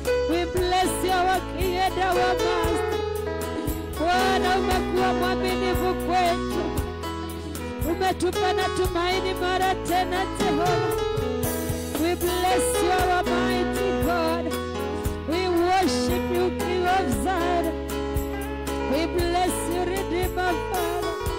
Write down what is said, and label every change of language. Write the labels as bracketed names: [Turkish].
[English] We bless your King and our Master. [Swahili] Bwana umekuwa mwaminifu kwetu. Umetupa na tumaini mara tena Jehova. [English] We bless you, our mighty God. We worship you, King of Zion. We bless you, Redeemer Father.